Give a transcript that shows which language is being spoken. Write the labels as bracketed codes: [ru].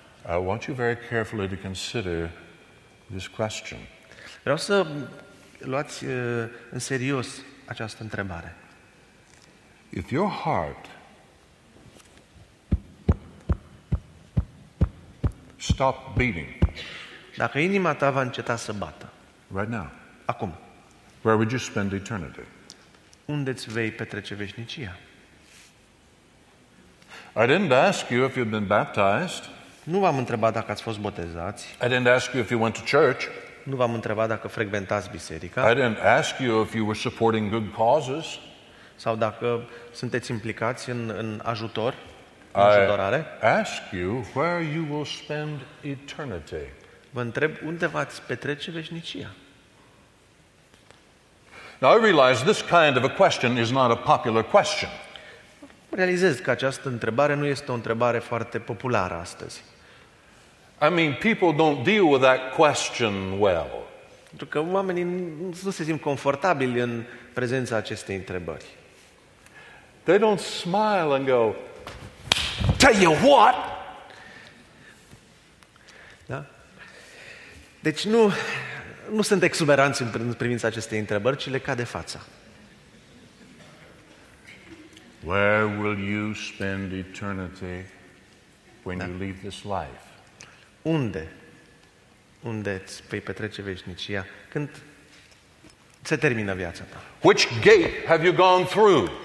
[en] I want you very carefully to consider this question. [ro] Vreau să luați în serios această întrebare. [en] If your heart stop beating. [ro] Dacă inima ta va înceta să bată. [en] Right now. [ro] Acum. [en] Where would you spend eternity? [ro] Unde îți vei petrece veșnicia? [en] I didn't ask you if you've been baptized. [ro] Nu v-am întrebat dacă ați fost botezați. [en] I didn't ask you if you went to church. [ro] Nu v-am întrebat dacă frecventați biserica. [en] I didn't ask you if you were supporting good causes. [ro] Sau dacă sunteți implicați în ajutor. Ajutorare. [en] I ask you where you will spend eternity. [ro] Vă întreb unde v-ați petrece veșnicia. [en] Now I realize this kind of a question is not a popular question. [ro] Realizez că această întrebare nu este o întrebare foarte populară astăzi. [en] I mean, people don't deal with that question well. [ro] Pentru că oamenii nu se simt confortabili în prezența acestei întrebări. [en] They don't smile and go, tell you what? [ro] Da? Deci nu sunt exuberanți în privința acestei întrebări, ci le cade fața. [en] Where will you spend eternity when you leave this life? [ro] Unde? Unde îți vei petrece veșnicia când se termină viața ta? [en] Which gate have you gone through?